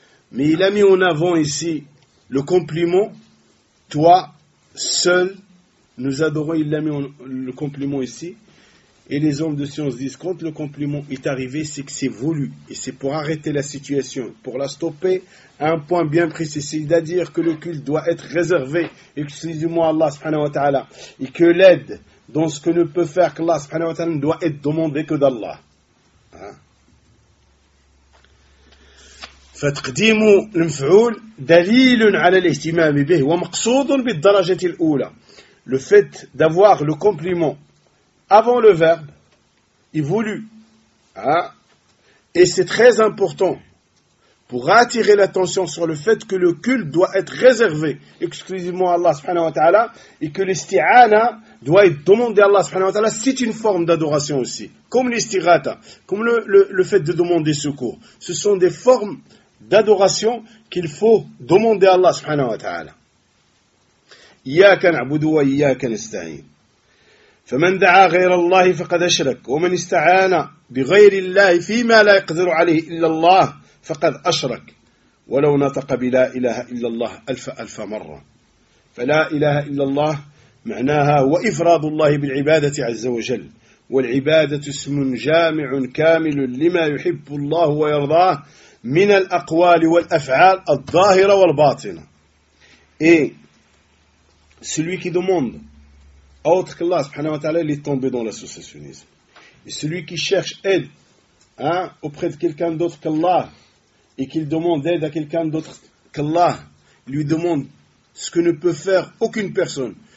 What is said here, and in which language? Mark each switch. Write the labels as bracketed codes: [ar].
[fr] Mais il a mis en avant ici le compliment, toi seul, nous adorons, il a mis le compliment ici, et les hommes de science disent, quand le compliment est arrivé, c'est que c'est voulu, et c'est pour arrêter la situation, pour la stopper, à un point bien précis, c'est-à-dire que le culte doit être réservé, exclusivement à Allah, subhanahu wa ta'ala, et que l'aide dans ce que ne peut faire qu'Allah, subhanahu wa ta'ala, ne doit être demandée que d'Allah. [ar] فتقديم المفعول دليل على الاهتمام به ومقصود بالدرجة الأولى. [fr] Le fait d'avoir le complément avant le verbe est voulu. Et c'est très important pour attirer l'attention sur le fait que le culte doit être réservé exclusivement à Allah subhanahu wa ta'ala et que l'isti'ana doit être demandé à Allah subhanahu wa ta'ala, c'est une forme d'adoration aussi. Comme l'istighatha, comme le fait de demander secours. Ce sont des formes d'adoration qu'il faut demander à Allah subhanahu wa ta'ala. [ar] Iyaka na'budu wa iyaka nasta'in. Faman da'a ghayra Allah faqad ashrak wa man ista'ana bighayri Allah fima la yaqdiru alayhi illa Allah faqad ashrak wa law nataqa bila ilaha illa Allah alf alf marra. Fala ilaha illa Allah ma'naha wa ifradu Allah bil ibadati 'azza wa jalla. والعبادة اسم جامع كامل لما يحب الله ويرضاه من الأقوال والأفعال الظاهرة والباطنة. [fr] Et celui qui demande autre que Allah subhanahu wa ta'ala, il est tombé dans l'associationnisme. Et celui qui cherche aide auprès de quelqu'un d'autre que Allah et qu'il demande aide à quelqu'un d'autre que Allah, lui demande ce que ne peut faire aucune personne.